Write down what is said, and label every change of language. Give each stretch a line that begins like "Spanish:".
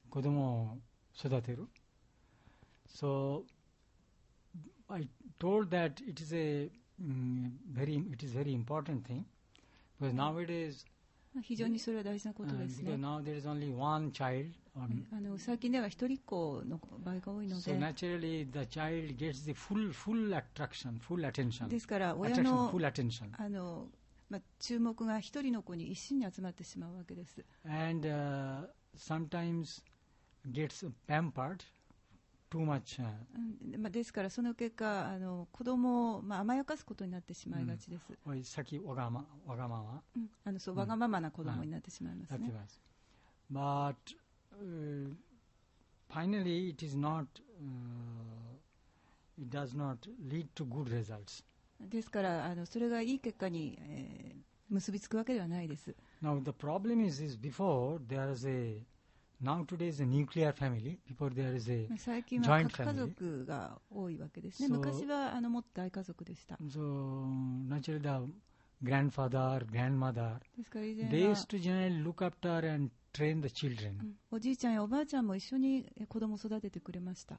Japanese: 子供を育てる、
English: So I told that it is a、it is very important thing, because nowadays
Japanese: 非常にそれは大事なことですね。
English: Now there is only one child、
Japanese: 最近では一人っ子の場合が多いので、
English: So naturally the child gets the full attraction, full attention.
Japanese: ですから親 の、
English: full attention.
Japanese: まあ、注目が一人の子に一心に集まってしまうわけです。
English: And、sometimes gets pampered too much、
Japanese: まあ、ですからその結果子供を、まあ、甘やかすことになってしまいがちです、うん、さっきわがまま、うん、そう、わがままな子供になってしまいますね、うん、
English: that's right. But、finally it is not、it does not lead to good results。
Japanese: ですからそれがいい結果に、結びつくわけではないです。
English: Now the problem is before there is a、 Now today is a nuclear family. Before there is a joint family.
Japanese: 最近は核家族が多いわけですね。
English: So、
Japanese: 昔はもっと大家族でした。
English: So naturally the grandfather, grandmother,
Japanese: ですから以前は
English: they used to generally look after and train the children.
Japanese: おじいちゃんやおばあちゃんも一緒に子供を育ててくれました。